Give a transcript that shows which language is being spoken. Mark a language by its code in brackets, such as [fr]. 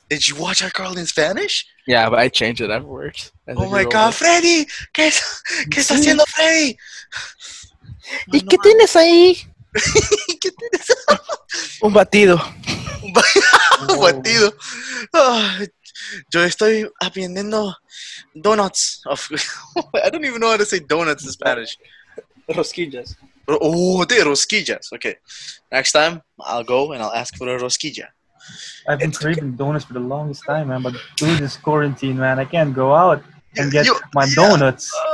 [en] Did you watch iCarly in Spanish? Yeah, but I changed it afterwards. Oh my god, Freddy! [es] ¿Qué está haciendo Freddy? ¿Y qué tienes ahí? Un batido. Un batido. Oh, yo estoy aprendiendo donuts. [en] I don't even know how to say donuts in Spanish. [es] Rosquillas. De rosquillas. Okay. [en] Next time, I'll go and I'll ask for a rosquilla. I've been craving donuts for the longest time, man. But due to this quarantine, man, I can't go out and get my donuts.